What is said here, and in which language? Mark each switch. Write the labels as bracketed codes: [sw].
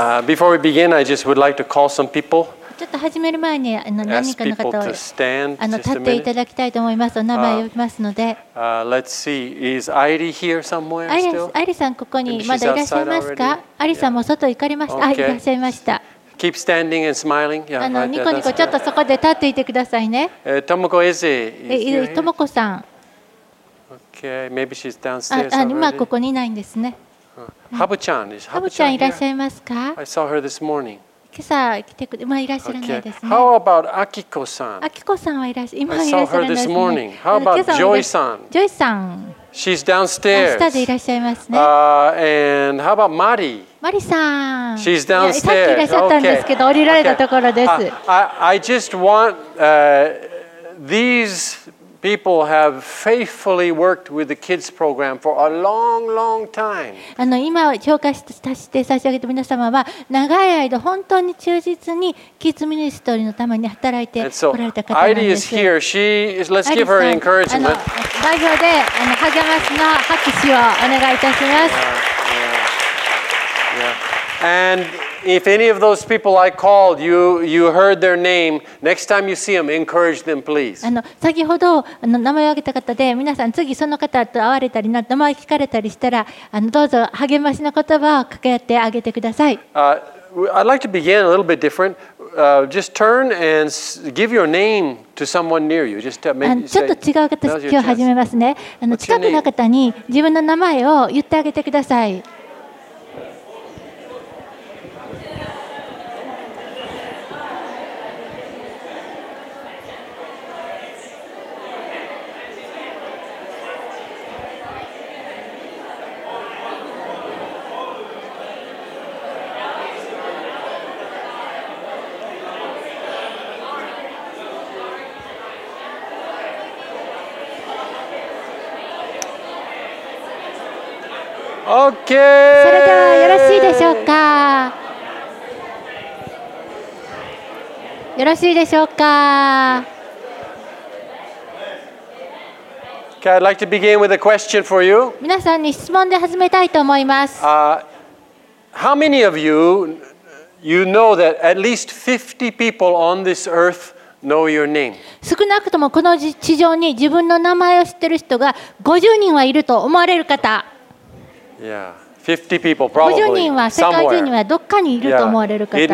[en] Before we begin, I just would like to call some people. [ja] ちょっと始める前に何人かの方を立っていただきたいと思います。お名前を呼びますので。 [en] Let's see. Is Airi here somewhere still? [ja] Airi さんここにまだいらっしゃいますか？Airi さんも外に行かれました。 [en] Okay. [ja] いらっしゃいました。 [en] Keep standing and smiling. [ja] Yeah, ニコニコちょっとそこで立っていてくださいね。 [en] Tomoko Eze. [ja] Tomoko さん。 [en] Okay, maybe she's downstairs already. [ja] 今ここにいないんですね。 [en] Habu-chan is Habu-chan here? [ja] いらっしゃいますか？ [en] I saw her this morning. [ja] 今朝来てくれ、まあいらっしゃらないですね。 [en] How about Akiko-san? [ja] Akiko-san はいらっしゃ、今いらっしゃらない。 [en] I saw her this morning. How about Joy-san? Joy-san. She's downstairs. [ja] 下でいらっしゃいますね。 [en] And how about Mari? [ja] Mari さん。 [en] She's downstairs. [ja] さっきいらっしゃったんですけど、降りられたところです。 [en] I just want these. People have faithfully worked with the kids program for a long, long time. [ja] 今評価して差し上げた皆様は長い間本当に忠実にキッズミニストリーのために働いてこられた方なんです。 [en] Airi is here. She is. Let's give her encouragement. [ja] 代表で励ますの拍手をお願いいたします。 [en] And if any of those people I called, you heard their name, next time you see them, encourage them, please. [ja] 先ほど名前を挙げた方で、皆さん次その方と会われたり、名前を聞かれたりしたら、どうぞ励ましの言葉をかけてあげてください。 [en] I'd like to begin a little bit different. Just turn and give your name to someone near you. Just make say, [ja] ちょっと違う形で今日始めますね。近くの方に自分の名前を言ってあげてください。 [en] Okay. [ja] それではよろしいでしょうか。よろしいでしょうか。 [en] Okay, I'd like to begin with a question for you. [ja] 皆さんに質問で始めたいと思います。 [en] How many of you know that at least 50 people on this earth know your name? [ja] 少なくともこの地上に自分の名前を知ってる人が50人はいると思われる方。 [en] Yeah, 50 people probably. [ja] 50人は世界中にはどっかにいると思われる方。